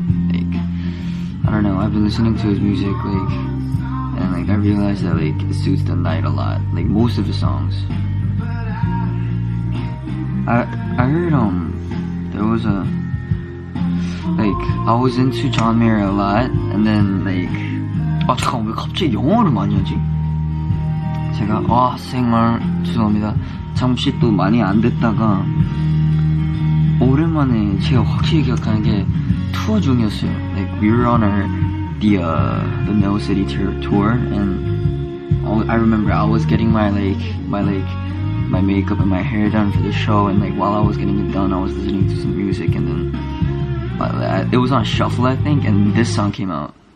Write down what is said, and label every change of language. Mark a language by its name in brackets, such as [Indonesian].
[English] Like, I don't know, I've been listening to his music, like, and like, I realized that like, it suits the night a lot. Like, most of his songs. I heard, there was a, like, I was into John Mayer a lot, and then like, [Korean] 아, 잠깐, 왜 갑자기 영어를 많이 하지? 제가 와 생얼 죄송합니다. 잠시 또 많이 안 됐다가 오랜만에 제가 확실히 기억하는 게 투어 중이었어요. [English] Like we were on our the Mel City tour and I remember I was getting my makeup and my hair done for the show and like while I was getting it done I was listening to some music and then it was on shuffle I think and this song came out.